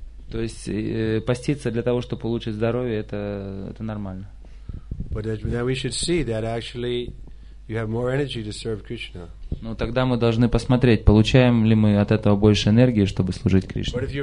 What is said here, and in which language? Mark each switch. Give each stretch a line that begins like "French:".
Russian: То есть поститься для того, чтобы улучшить здоровье, это нормально.
English: But then we should see that actually you have more energy to serve Krishna.
Russian: Но тогда мы должны посмотреть, получаем ли мы от этого больше энергии, чтобы служить Кришне.